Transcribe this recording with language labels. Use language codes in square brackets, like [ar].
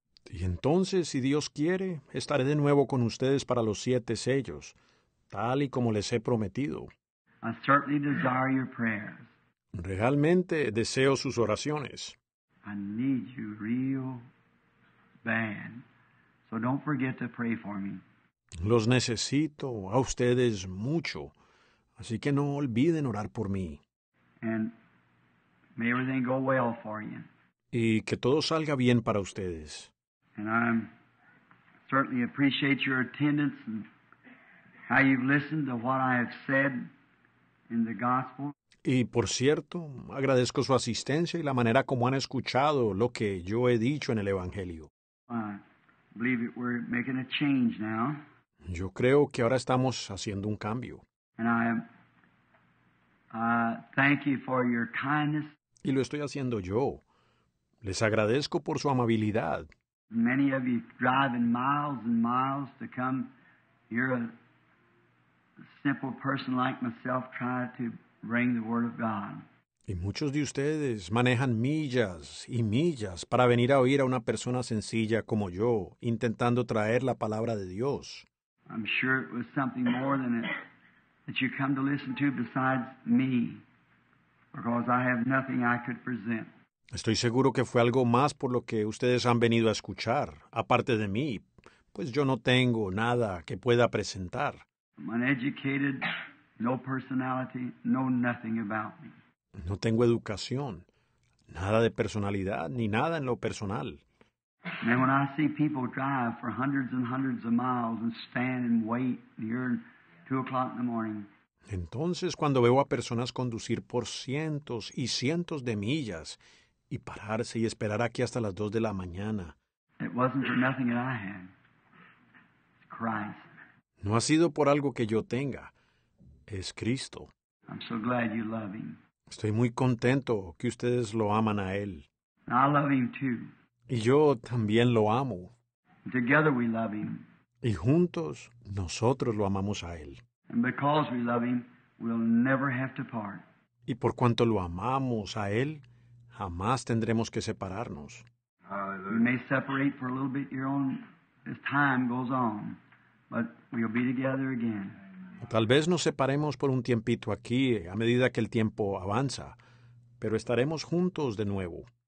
[es] Y entonces, si Dios quiere, estaré de nuevo con ustedes para los siete sellos, tal y como les he prometido. [en] I certainly desire your prayers. [es] Realmente deseo sus oraciones. [en] I need you real bad. So don't forget to pray for me. [es] Los necesito a ustedes mucho, así que no olviden orar por mí. [en] And may everything go well for you. [es] Y que todo salga bien para ustedes. [en] And I certainly appreciate your attendance and how you've listened to what I have said in the gospel. [es] Y por cierto, agradezco su asistencia y la manera como han escuchado lo que yo he dicho en el Evangelio. [en] I believe that we're making a change now. [es] Yo creo que ahora estamos haciendo un cambio. [en] And I Thank you for your kindness. [es] Y lo estoy haciendo yo. Les agradezco por su amabilidad. [en] Many of you driving miles and miles to come. You're a simple person like myself trying to bring the word of God. [es] Y muchos de ustedes manejan millas y millas para venir a oír a una persona sencilla como yo, intentando traer la palabra de Dios. [en] I'm sure it was something more than it that you come to listen to besides me, because I have nothing I could present. [es] Estoy seguro que fue algo más por lo que ustedes han venido a escuchar, aparte de mí, pues yo no tengo nada que pueda presentar. [en] I'm uneducated, no personality, no nothing about me. [es] No tengo educación, nada de personalidad, ni nada en lo personal. [en] And when I see people drive for hundreds and hundreds of miles and stand and wait near 2 o'clock in the morning. [es] Entonces, cuando veo a personas conducir por cientos y cientos de millas y pararse y esperar aquí hasta las 2 de la mañana. [en] It wasn't for nothing that I had. It's Christ. [es] No ha sido por algo que yo tenga. Es Cristo. [en] I'm so glad you love him. [es] Estoy muy contento que ustedes lo aman a Él. [en] I love him too. [es] Y yo también lo amo. [en] Together we love him. [es] Y juntos nosotros lo amamos a Él. [en] And because we love him, we'll never have to part. [es] Y por cuanto lo amamos a Él, jamás tendremos que separarnos. [en] Hallelujah. We may separate for a little bit your own as time goes on, but we'll be together again. [es] Tal vez nos separemos por un tiempito aquí a medida que el tiempo avanza, pero estaremos juntos de nuevo.